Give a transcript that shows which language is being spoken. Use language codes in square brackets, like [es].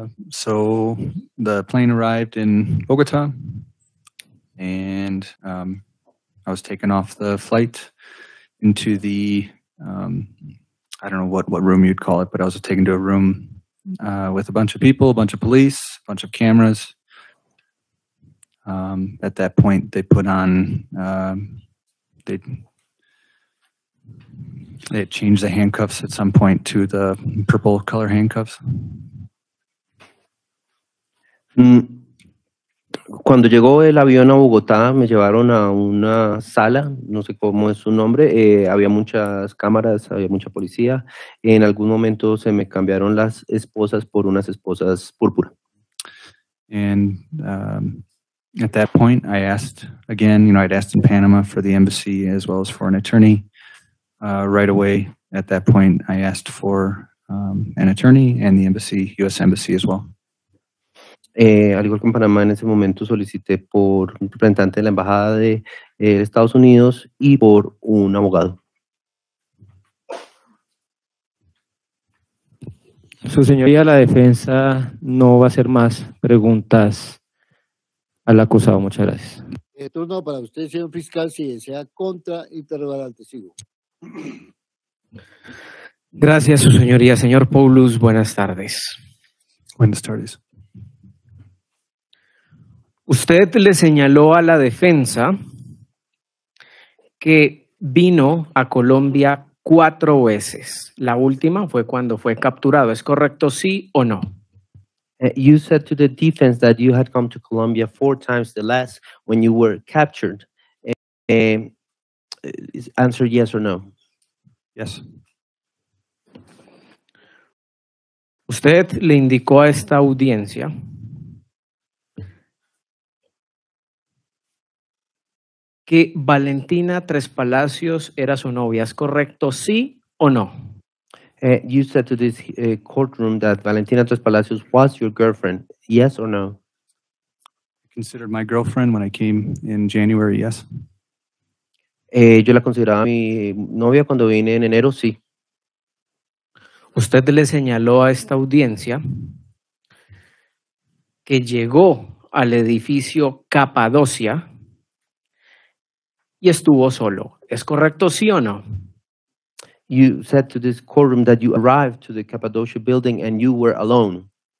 [en] So the plane arrived in Bogota and I was taken off the flight into the, I don't know what room you'd call it, but I was taken to a room with a bunch of people, a bunch of police, a bunch of cameras. At that point, they put on, they changed the handcuffs at some point to the purple color handcuffs. [es] Cuando llegó el avión a Bogotá, me llevaron a una sala, no sé cómo es su nombre, había muchas cámaras, había mucha policía. En algún momento se me cambiaron las esposas por unas esposas púrpura. [en] And at that point, I asked again, you know, I'd asked in Panama for the embassy as well as for an attorney. Right away, at that point, I asked for an attorney and the embassy, U.S. embassy as well. [es] Al igual que en Panamá, en ese momento solicité por un representante de la Embajada de Estados Unidos y por un abogado. Su señoría, la defensa no va a hacer más preguntas al acusado. Muchas gracias. Turno para usted, señor fiscal, si desea contrainterrogar al testigo. Gracias, su señoría. Señor Paulus, buenas tardes. Buenas tardes. Usted le señaló a la defensa que vino a Colombia 4 veces. La última fue cuando fue capturado. ¿Es correcto, sí o no? [en] You said to the defense that you had come to Colombia 4 times, the last when you were captured. Answer yes or no. Yes. [es] Usted le indicó a esta audiencia que Valentina Tres Palacios era su novia. ¿Es correcto, sí o no? [en] You said to this courtroom that Valentina Tres Palacios was your girlfriend, yes or no? Considered my girlfriend when I came in January, yes. [es] Yo la consideraba mi novia cuando vine en enero, sí. Usted le señaló a esta audiencia que llegó al edificio Capadocia y estuvo solo. ¿Es correcto, sí o no? [en] You said to this courtroom that you arrived to the Cappadocia building and you were alone.